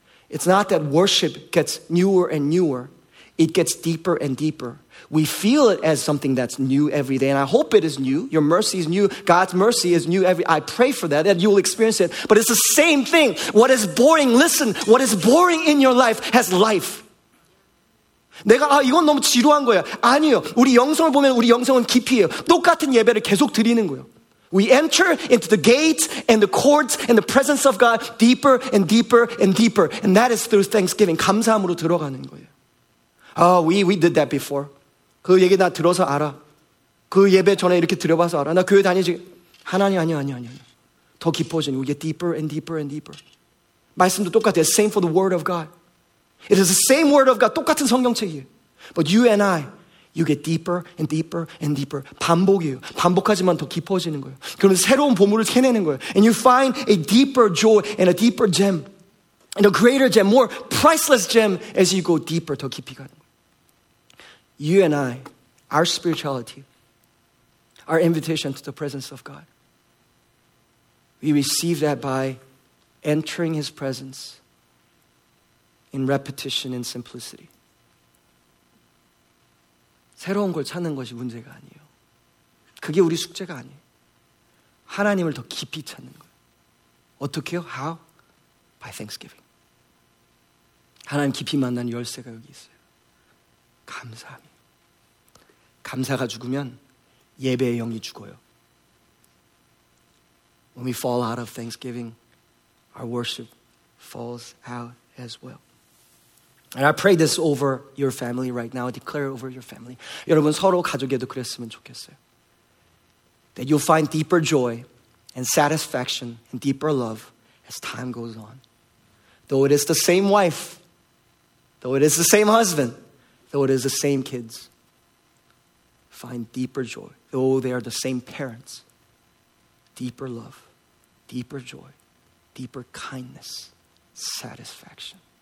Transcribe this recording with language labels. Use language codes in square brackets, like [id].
[en] It's not that worship gets newer and newer. It gets deeper and deeper. We feel it as something that's new every day. And I hope it is new. Your mercy is new. God's mercy is new every day. I pray for that, that you will experience it. But it's the same thing. What is boring, listen, what is boring in your life has life. [ko] 내가 아 이건 너무 지루한 거야. 아니요. 우리 영성을 보면 우리 영성은 깊이에요. 똑같은 예배를 계속 드리는 거예요. [en] We enter into the gates and the courts and the presence of God deeper and deeper and deeper. And that is through thanksgiving. [ko] 감사함으로 들어가는 거예요. [en] Oh, we did that before. [ko] 그 얘기 나 들어서 알아. 그 예배 전에 이렇게 들여봐서 알아. 나 교회 다니지. 하나님 아니요. 더 깊어지는. [en] We get deeper and deeper and deeper. [ko] 말씀도 똑같아요. [en] Same for the word of God. It is the same word of God. [ko] 똑같은 성경책이에요. [en] But you and I, you get deeper and deeper and deeper. [ko] 반복이에요. 반복하지만 더 깊어지는 거예요. 그러면 새로운 보물을 캐내는 거예요. [en] And you find a deeper joy and a deeper gem. And a greater gem, more priceless gem as you go deeper, [ko] 더 깊이 가는 거예요. [en] You and I, our spirituality, our invitation to the presence of God. We receive that by entering His presence. In repetition and simplicity. [ko] 새로운 걸 찾는 것이 문제가 아니에요. 그게 우리 숙제가 아니에요. 하나님을 더 깊이 찾는 거예요. 어떻게요? [en] How? By thanksgiving. [ko] 하나님 깊이 만난 열쇠가 여기 있어요. 감사함. 감사가 죽으면 예배의 영이 죽어요. [en] When we fall out of thanksgiving, our worship falls out as well. And I pray this over your family right now. I declare over your family. [ko] 여러분 서로 가족에도 그랬으면 좋겠어요. [en] That you'll find deeper joy and satisfaction and deeper love as time goes on. Though it is the same wife, though it is the same husband, though it is the same kids, find deeper joy. Though they are the same parents, deeper love, deeper joy, deeper kindness, satisfaction.